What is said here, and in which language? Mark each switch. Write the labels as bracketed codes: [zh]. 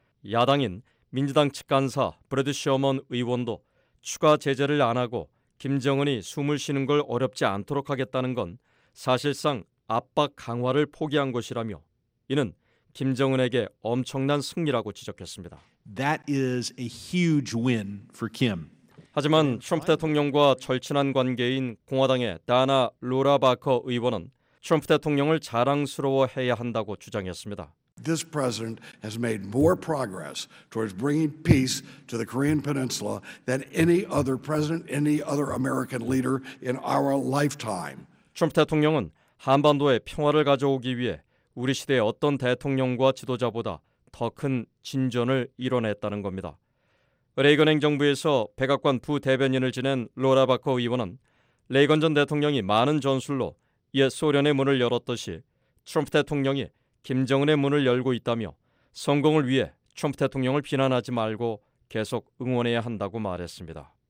[ko] 야당인 민주당 측 간사 브래드 셔먼 의원도 추가 제재를 안 하고 김정은이 숨을 쉬는 걸 어렵지 않도록 하겠다는 건 사실상 압박 강화를 포기한 것이라며 이는 김정은에게 엄청난 승리라고 지적했습니다. [en] That is a huge win for Kim. [ko] 하지만 트럼프 대통령과 절친한 관계인 공화당의 다나 로라바커 의원은 트럼프 대통령을 자랑스러워해야 한다고 주장했습니다. [en] This president has made more progress towards bringing peace to the Korean Peninsula than any other president, any other American leader in our lifetime. [ko] 트럼프 대통령은 한반도의 평화를 가져오기 위해 우리 시대의 어떤 대통령과 지도자보다 더 큰 진전을 이뤄냈다는 겁니다. 레이건 행정부에서 백악관 부대변인을 지낸 로라바커 의원은 레이건 전 대통령이 많은 전술로 옛 소련의 문을 열었듯이 트럼프 대통령이 김정은의 문을 열고 있다며 성공을 위해 트럼프 대통령을 비난하지 말고 계속 응원해야 한다고 말했습니다.